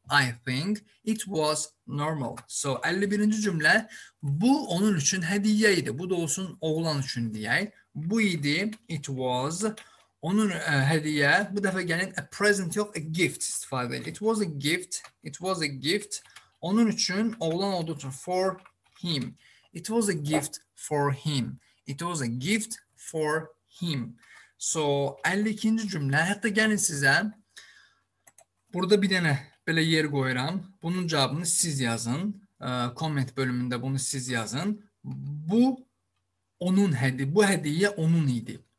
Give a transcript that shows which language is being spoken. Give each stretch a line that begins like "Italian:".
English: I think it was normal.
Azerbaijani: So 51-ci cümlə bu onun üçün hədiyyə idi. Bu da olsun oğlan üçün deyək. Bu idi.
English: It was
Azerbaijani: onun hədiyyə. Bu dəfə gəlin
English: a present
Azerbaijani: yox,
English: a gift
Azerbaijani: istifadə edir.
English: It was a gift. It was a gift
Azerbaijani: onun üçün oğlan olduğu üçün
English: for him. It was a gift for him. It was a gift for him.
Azerbaijani: So 52-ci cümlə hətta gəlin sizə burada bir dənə belə yer qoyuram. Bunun cavabını siz yazın. Comment bölümündə bunu siz yazın. Bu onun hədiyyə, bu hədiyyə onun idi.